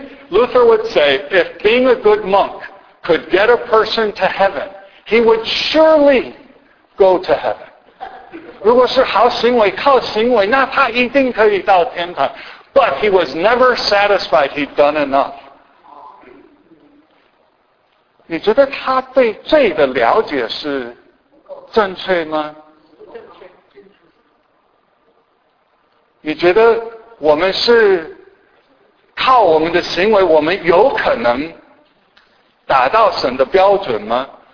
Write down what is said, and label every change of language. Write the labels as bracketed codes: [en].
[en] Luther would say if being a good monk could get a person to heaven, he would surely go to heaven。 [zh] 如果是好行为，靠行为，那他一定可以到天堂。 [en] But he was never satisfied he'd done enough。 [zh] 你觉得他对罪的了解是正确吗？你觉得我们是靠我们的行为，我们有可能达到神的标准吗？